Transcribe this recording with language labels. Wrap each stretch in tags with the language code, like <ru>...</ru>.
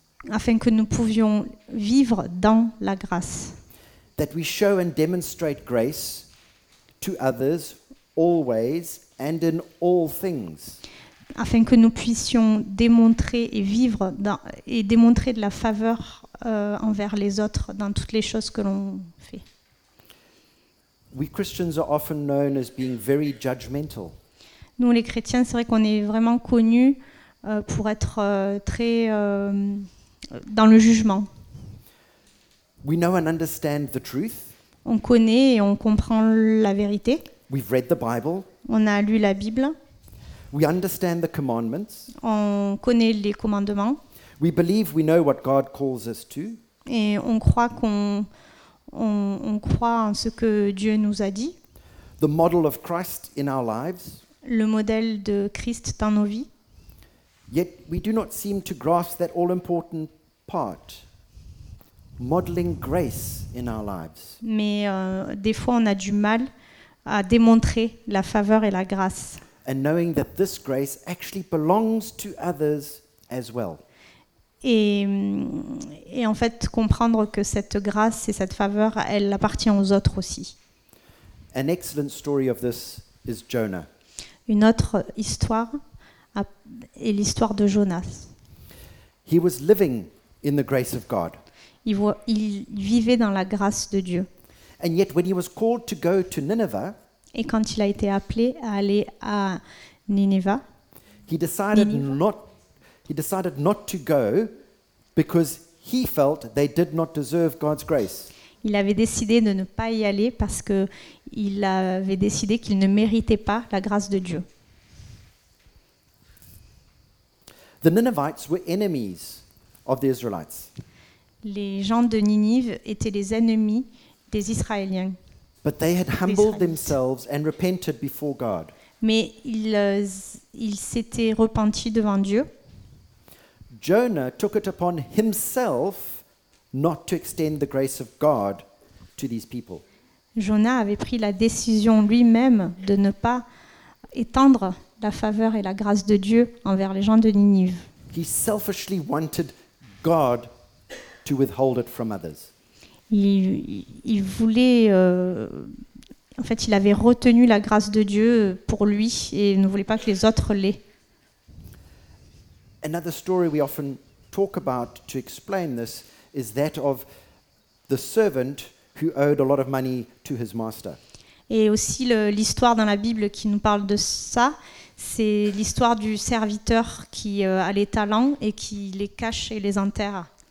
<fr>Afin que nous pouvions vivre dans la grâce.</fr> <en>That we show and demonstrate grace to others always and in all things.</en> <fr>Afin que nous puissions démontrer et vivre dans, et démontrer de la faveur envers les autres dans toutes les choses que l'on fait.</fr> <en>We Christians are often known as being very judgmental.</en> <fr>Nous, les chrétiens, c'est vrai qu'on est vraiment connus pour être très dans le jugement.</fr> <en>We know and understand the truth.</en> <fr>On connaît et on comprend la vérité.</fr> <en>We've read the Bible.</en> <fr>On a lu la Bible.</fr> <en>We understand the commandments.</en> <fr>On connaît les commandements.</fr> <en>We believe we know what God calls us to.</en> <fr>Et on croit en ce que Dieu nous a dit.</fr> <en>the model of Christ in our lives.</en> <fr>Le modèle de Christ dans nos vies.</fr> <en>Yet we do not seem to grasp that all important part, modeling grace in our lives.</en> <fr>Mais des fois on a du mal à démontrer la faveur et la grâce.</fr> <en>And knowing that this grace actually belongs to others as well.</en> <fr>Et en fait comprendre que cette grâce et cette faveur elle appartient aux autres aussi.</fr> <en>An excellent story of this is Jonah.</en> <fr>Une autre histoire est l'histoire de Jonas.</fr> <en>He was living in the grace of God.</en> <fr>Il vivait dans la grâce de Dieu.</fr> <en>And yet when he was called to go to Nineveh,</en> <fr>et quand il a été appelé à aller à Nineveh,</fr> <en>he decided not to go because he felt they did not deserve God's grace.</en> <fr>Il avait décidé de ne pas y aller parce que il avait décidé qu'il ne méritait pas la grâce de Dieu.</fr> <en>The Ninevites were enemies of the Israelites.</en> <fr>Les gens de Ninive étaient les ennemis des Israéliens.</fr> <en>But they had humbled themselves and repented before God.</en> <fr>Mais ils s'étaient repentis devant Dieu.</fr> <en>Jonah took it upon himself not to extend the grace of God to these people.</en> <fr>Jonah avait pris la décision lui-même de ne pas étendre la faveur et la grâce de Dieu envers les gens de Ninive.</fr> <en>He selfishly wanted God to withhold it from others.</en> <fr>Il voulait, en fait, il avait retenu la grâce de Dieu pour lui et ne voulait pas que les autres l'aient.</fr> <en>Another story we often talk about to explain this is that of the servant who owed a lot of money to his master.</en> <fr>Et aussi l'histoire dans la Bible qui nous parle de ça, c'est l'histoire du serviteur qui a les talents et qui les cache et les enterre.</fr>